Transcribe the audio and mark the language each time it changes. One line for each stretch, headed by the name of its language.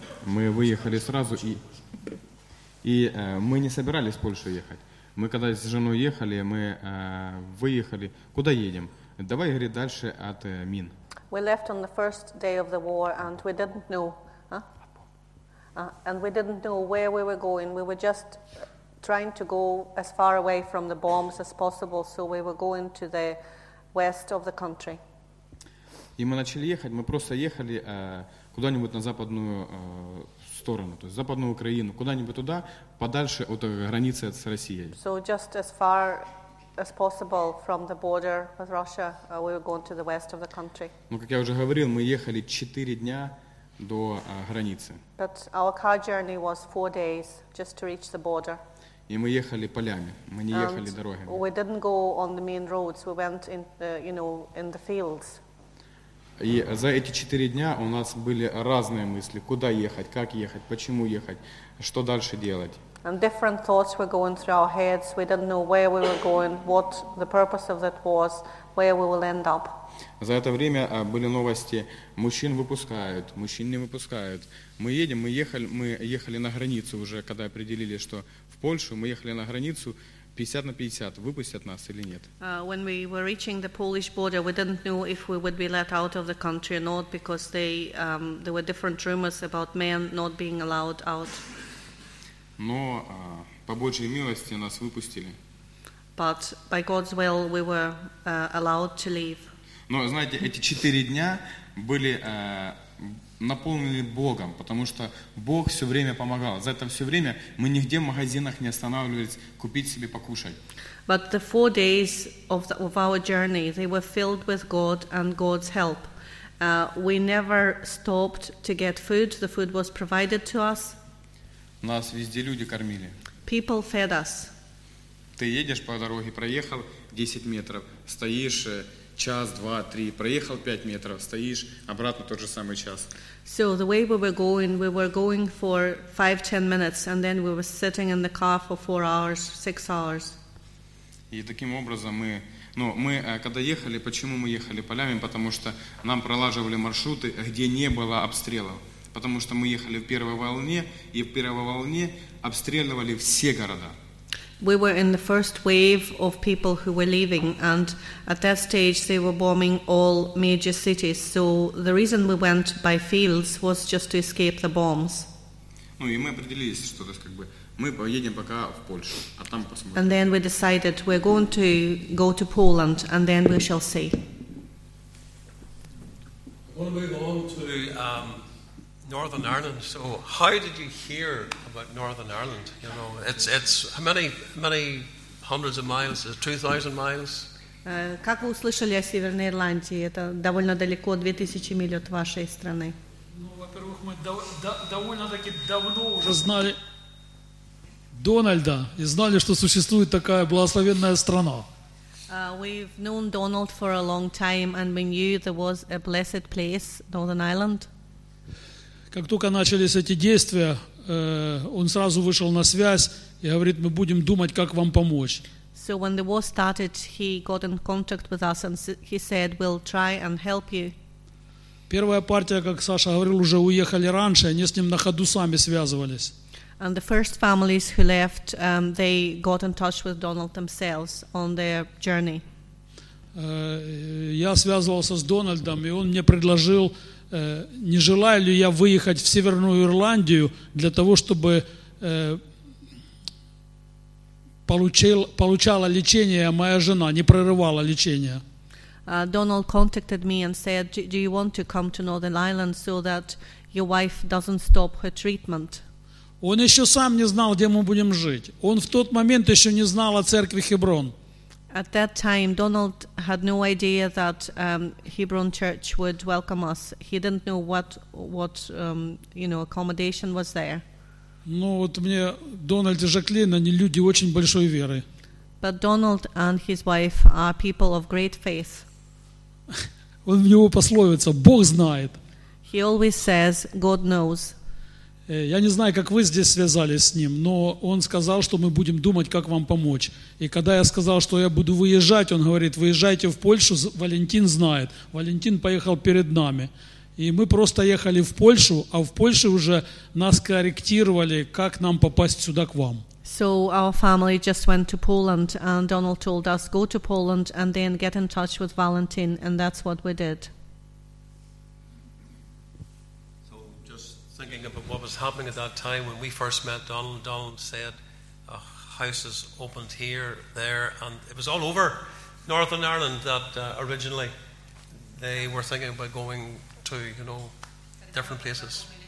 Russian: Мы выехали сразу, и мы не собирались в Польшу ехать. Мы когда с женой ехали, мы выехали. Куда едем? Давай, говорит, дальше от мин.
English: We left on the first day of the war, and we didn't know, and we didn't know where we were going. We were just trying to go as far away from the bombs as possible, so we were going to the west of the country.
Russian: И мы начали ехать, мы просто ехали куда-нибудь на западную сторону, то есть западную Украину, куда-нибудь туда, подальше от границы с Россией.
English: So just as far as possible from the border with Russia, we were going to the west of the country.
Russian: Ну, как я уже говорил, мы ехали 4 дня до границы.
English: But our car journey was 4 days just to reach the border.
Russian: И мы ехали полями, мы не ехали дорогами.
English: And we didn't go on the main roads, we went in the, you know, in the fields.
Russian: И за эти 4 дня у нас были разные мысли, куда ехать, как ехать, почему ехать, что дальше делать.
English: And different thoughts were going through our heads. We didn't know where we were going, what the purpose of that was, where we will end up.
Russian: За это время были новости, мужчин выпускают, мужчин не выпускают. Мы едем, мы ехали на границу уже, когда определили, что в Польшу, мы ехали на границу, 50 на 50, выпустят нас или нет.
English: When we were reaching the Polish border, we didn't know if we would be let out of the country or not, because there were different rumors about men not being allowed out.
Russian: Но по Божьей милости нас выпустили.
English: But by God's will, we were allowed to leave.
Russian: Но, знаете, эти 4 дня были наполнены Богом, потому что Бог все время помогал. За это все время мы нигде в магазинах не останавливались купить себе покушать.
English: But the 4 days of our journey, they were filled with God and God's help. We never stopped to get food. The food was provided to us.
Russian: Нас везде люди кормили.
English: People fed us.
Russian: Ты едешь по дороге, проехал 10 метров, стоишь час, два, три, проехал 5 метров, стоишь, обратно тот же самый час.
English: So the way we were going for 5-10 minutes, and then we were sitting in the car for 4 hours, 6 hours.
Russian: И таким образом мы когда ехали, почему мы ехали полями, потому что нам пролаживали маршруты, где не было обстрелов. Потому что мы ехали в первой волне, и в первой волне обстреливали все города.
English: We were in the first wave of people who were leaving, and at that stage they were bombing all major cities. So the reason we went by fields was just to escape the bombs.
Russian: Ну и мы определились, что это как бы мы поедем пока в Польшу, а там посмотрим.
English: And then we decided we're going to go to Poland, and then we shall see. We're going to move on to Northern Ireland. So how did you hear about Northern Ireland? You know, it's how many hundreds of miles? Is it 2,000 miles?
Russian: Как вы услышали о Северной Ирландии? Это довольно далеко, 2000 миль от вашей страны. Ну, во-первых, мы довольно-таки давно уже знали Дональда и знали, что существует такая благословенная страна.
English: We've known Donald for a long time, and we knew there was a blessed place, Northern Ireland.
Russian: Как только начались эти действия, он сразу вышел на связь и говорит, мы будем думать, как вам помочь.
English: So when the war started, he got in contact with us and he said, we'll try and help you.
Russian: Первая партия, как Саша говорил, уже уехали раньше, они с ним на ходу сами связывались.
English: And the first families who left, they got in touch with Donald themselves on their journey.
Russian: Я связывался с Дональдом, и он мне предложил, не желаю ли я выехать в Северную Ирландию для того, чтобы получала лечение моя жена, не прерывала лечение.
English: Donald contacted me and said, do you want to come to Northern Ireland so that your wife doesn't stop her treatment?
Russian: Он еще сам не знал, где мы будем жить. Он в тот момент еще не знал о церкви Хеброн.
English: At that time, Donald had no idea that Hebron Church would welcome us. He didn't know what accommodation was there.
Russian: Ну вот мне Дональд и Жаклин, они люди очень большой веры.
English: But Donald and his wife are people of great faith.
Russian: Он в него пословица: Бог знает.
English: He always says, God knows.
Russian: Я не знаю, как вы здесь связались с ним, но он сказал, что мы будем думать, как вам помочь. И когда я сказал, что я буду выезжать, он говорит, выезжайте в Польшу, Валентин знает. Валентин поехал перед нами. И мы просто ехали в Польшу, а в Польше уже нас корректировали, как нам попасть сюда к вам.
English: So our family just went to Poland, and Donald told us, go to Poland and then get in touch with Valentin, and that's what we did. Thinking about what was happening at that time when we first met Donald. Donald said, a house is opened here, there, and it was all over Northern Ireland that originally they were thinking about going to, you know, different places.